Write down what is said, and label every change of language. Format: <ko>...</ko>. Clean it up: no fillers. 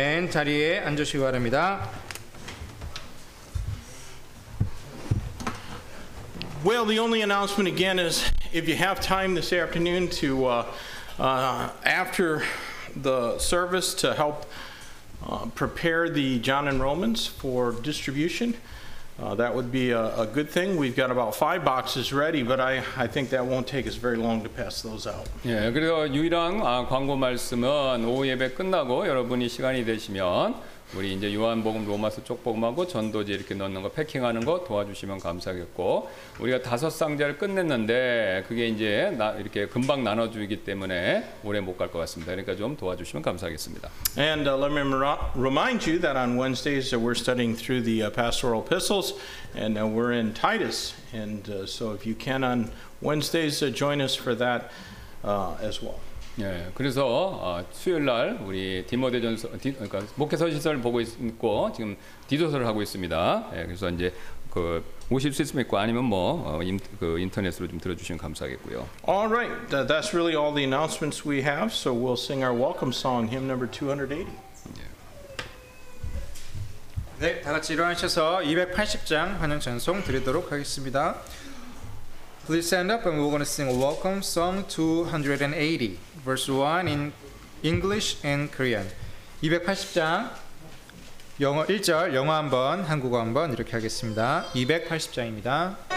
<ko>자리에 앉으시기 바랍니다.</ko> <en>Well, the only announcement again is if you have time this afternoon to after the service to help prepare the John and Romans for distribution, that would be a good thing. We've got about 5 boxes ready, but I think that won't take us very long to pass those out.</en> <ko>예, 그리고 유일한 광고 말씀은 오후 예배 끝나고 여러분이 시간이 되시면 우리 이제 요한복음 로마서 쪽복음하고 전도지 이렇게 넣는 거 패킹하는 거 도와주시면 감사하겠고 우리가 다섯 상자를 끝냈는데 그게 이제 이렇게 금방 나눠주기 때문에 오래 못 갈 것 같습니다. 그러니까 좀 도와주시면 감사하겠습니다.</ko> <en>And let me remind you that on Wednesdays we're studying through the pastoral epistles and we're in Titus. And so if you can on Wednesdays join us for that as well.</en> <ko>예, 그래서 수요일날 우리 디모데전서, 그러니까 목회서신서를 보고 있고 지금 디도서를 하고 있습니다. 예, 그래서 이제 그 오실 수 있으면 있고 아니면 뭐 그 인터넷으로 좀 들어주시면 감사하겠고요.</ko> <en>All right, that's really all the announcements we have. So we'll sing our welcome song, hymn number 280. 예.</en> <ko>네, 다 같이 일어나셔서 280장 환영 찬송 드리도록 하겠습니다.</ko> <en>Please stand up and we're going to sing a welcome song 280, verse 1 in English and Korean.</en> <ko>280장, 영어 1절, 영어 한번, 한국어 한번 이렇게 하겠습니다. 280장입니다.</ko>